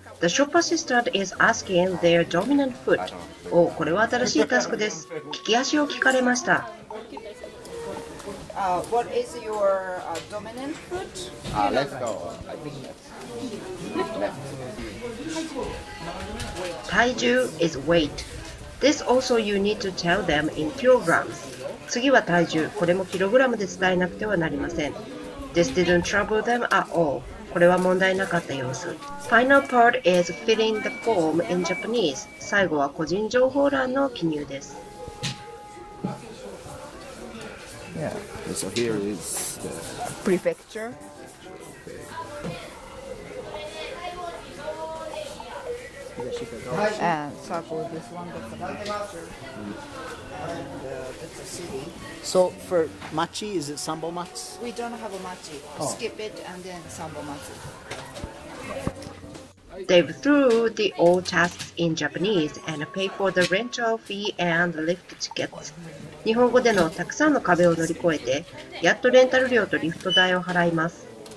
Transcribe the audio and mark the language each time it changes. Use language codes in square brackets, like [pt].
[en] The shop assistant is asking their dominant foot. [ja] Oh, これは新しいタスクです。利き足を聞かれました。 [en] What is your dominant foot? Left. 体重 is weight. This also you need to tell them in kilograms. [ja] 次は体重。これもキログラムで伝えなくてはなりません。 [en] This didn't trouble them at all. [ja] これは問題なかった様子。 [en] Final part is filling the form in Japanese. [ja] 最後は個人情報欄の記入です。 [en] Yeah, so here is the prefecture. And circle this wonderful picture. So for machi, is it sambo machi? We don't have a machi. Skip it and then sambo machi. They threw the old tasks in Japanese and paid for the rental fee and lift tickets. [ja] 日本語でのたくさんの壁を乗り越えて、やっとレンタル料とリフト代を払います。